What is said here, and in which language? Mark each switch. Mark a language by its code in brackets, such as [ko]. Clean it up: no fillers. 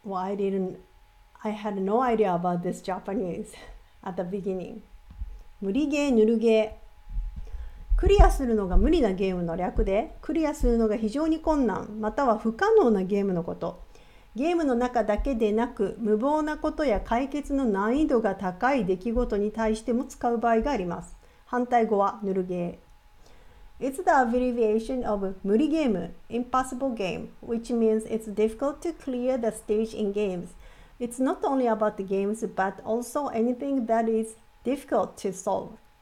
[en] Well, I had no idea about this Japanese at the beginning. [ja] 無理ゲー、ぬるゲー。クリアするのが無理なゲームの略で、クリアするのが非常に困難、または不可能なゲームのこと。ゲームの中だけでなく、無謀なことや解決の難易度が高い出来事に対しても使う場合があります。反対語はぬるゲー。 [en] It's the abbreviation of 無理ゲーム、impossible game, which means it's difficult to clear the stage in games. It's not only about the games, but also anything that is difficult to solve.